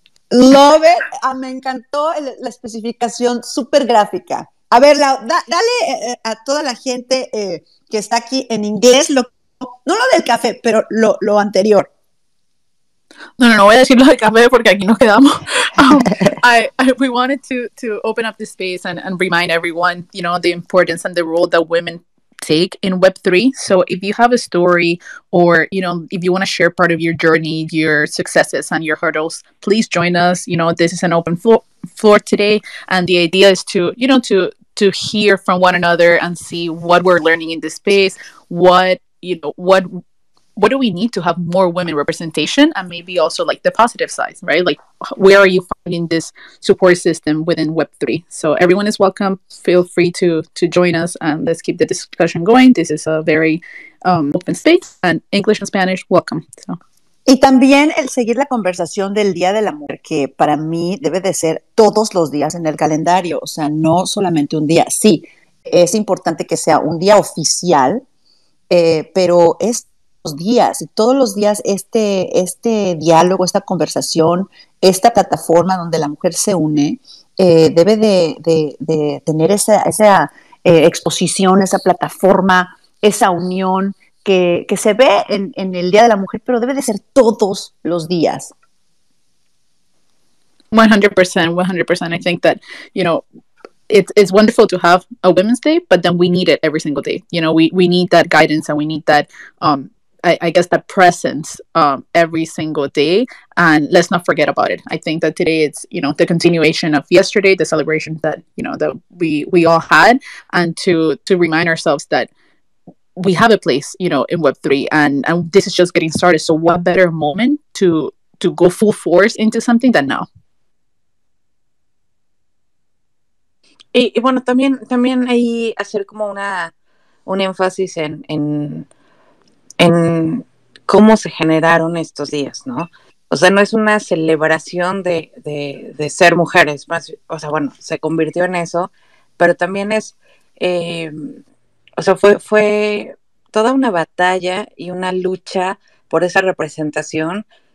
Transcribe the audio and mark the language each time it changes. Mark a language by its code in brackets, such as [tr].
[en] Love it. [es] Me encantó la especificación súper gráfica. A ver, dale a toda la gente que está aquí en inglés, no lo del café, pero lo anterior. No, voy a decir lo del café porque aquí nos quedamos. [en] We wanted to open up the space and remind everyone, you know, the importance and the role that women take in Web3. So if you have a story or, you know, if you want to share part of your journey, your successes and your hurdles, please join us. You know, this is an open floor today. And the idea is to, you know, to hear from one another and see what we're learning in this space, what do we need to have more women representation, and maybe also like the positive side, right? Like, where are you finding this support system within Web3? So everyone is welcome. Feel free to join us and let's keep the discussion going. This is a very open space, and English and Spanish, welcome. So. [es] Y también el seguir la conversación del Día de la Mujer, que para mí debe de ser todos los días en el calendario, o sea, no solamente un día. Sí, es importante que sea un día oficial, pero es los días, y todos los días este diálogo, esta conversación, esta plataforma donde la mujer se une, debe de tener esa exposición, esa plataforma, esa unión, que se ve en el Día de la Mujer, pero debe de ser todos los días. 100%, 100%. [en] I think that, you know, it's wonderful to have a Women's Day, but then we need it every single day. You know, we need that guidance, and we need that, I guess, that presence every single day. And let's not forget about it. I think that today it's, you know, the continuation of yesterday, the celebration that, you know, that we all had, and to remind ourselves that we have a place, you know, in Web3, and this is just getting started. So what better moment to go full force into something than now? [es] Y bueno, también ahí hacer como un énfasis en cómo se generaron estos días, ¿no? O sea, no es una celebración de ser mujeres, más, o sea, bueno, se convirtió en eso, pero también es, o sea, fue toda una batalla y una lucha por esa representación.